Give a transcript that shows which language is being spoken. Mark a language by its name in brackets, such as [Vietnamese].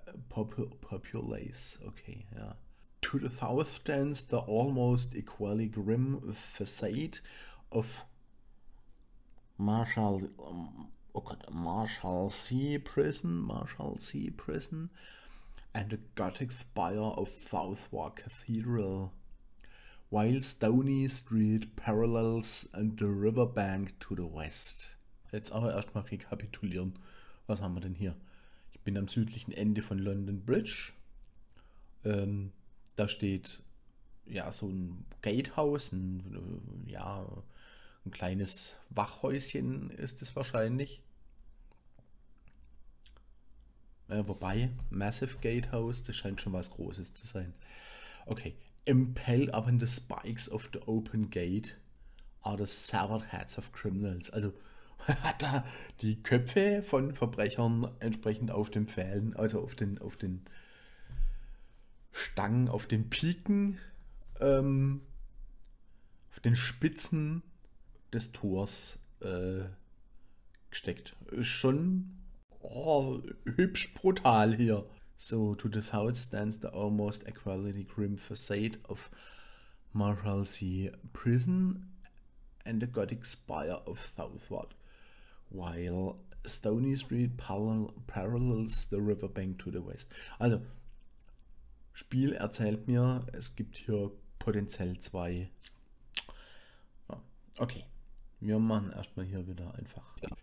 [English] Populace, okay, ja. Yeah. To the south stands the almost equally grim facade of Marshalsea Prison and the Gothic spire of Southwark Cathedral, while Stoney Street parallels and the riverbank to the west. [German] Jetzt aber erstmal rekapitulieren. Was haben wir denn hier? Ich bin am südlichen Ende von London Bridge. Da steht ja so ein Gatehouse, ein kleines Wachhäuschen ist es wahrscheinlich. Wobei, Massive Gatehouse, das scheint schon was Großes zu sein. [English] Okay, impaled up in the spikes of the open gate are the severed heads of criminals. [German] Also hat da die Köpfe von Verbrechern entsprechend auf den Pfählen, also auf den Stangen, auf den Piken, auf den Spitzen des Tors gesteckt. Schon oh, hübsch brutal hier. [English] So, to the south stands the almost equally grim facade of Marshalsea Prison and the Gothic Spire of Southwark, while Stoney Street parallels the riverbank to the west. [German] Also, Spiel erzählt mir, es gibt hier potenziell zwei. Okay, wir machen erstmal hier wieder einfach.